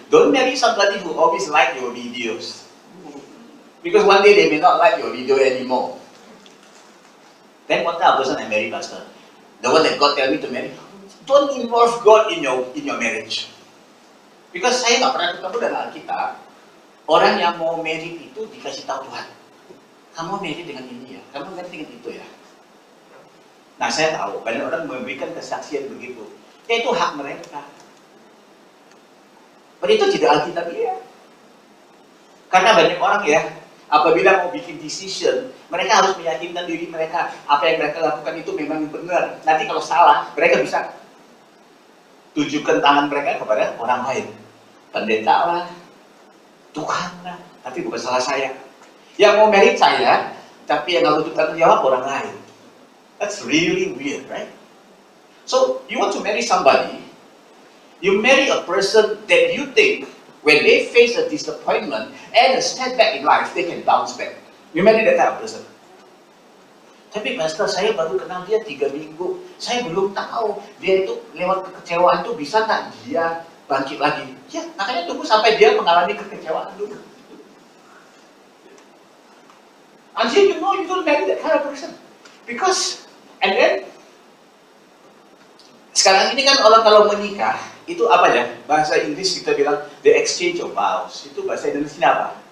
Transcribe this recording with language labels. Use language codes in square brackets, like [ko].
[en] Don't marry somebody who always like your videos. Because one day they may not like your video anymore. Then what kind of person I marry, Pastor? The one that God tell me to marry? Don't involve God in your marriage. [id] Because saya gak pernah ketemu dalam Alkitab, orang yang mau married itu dikasih tahu Tuhan. Kamu married dengan ini ya, kamu married dengan itu ya. Nah saya tahu, banyak orang memberikan kesaksian begitu. Ya itu hak mereka. Tapi itu tidak Alkitab ya. Karena banyak orang ya, apabila mau bikin decision, mereka harus meyakinkan diri mereka, apa yang mereka lakukan itu memang benar. Nanti kalau salah, mereka bisa tunjukkan tangan mereka kepada orang lain. Pendeta lah, Tuhan lah, tapi bukan salah saya. Yang mau married saya, tapi yang harus tanggung jawab orang lain. [en] That's really weird, right? So, you want to marry somebody, you marry a person that you think, when they face a disappointment and a setback in life, they can bounce back. You marry that type of person. [id] Tapi Pastor, saya baru kenal dia 3 minggu. Saya belum tahu dia itu lewat kekecewaan itu bisa tak dia bangkit lagi. Ya, makanya tunggu sampai dia mengalami kekecewaan dulu. [en] Until you know you don't marry that kind of person. Because, and then, [id] sekarang ini kan orang kalau menikah, itu apa ya? Bahasa Inggris kita bilang, the exchange of vows. Itu bahasa Indonesia apa?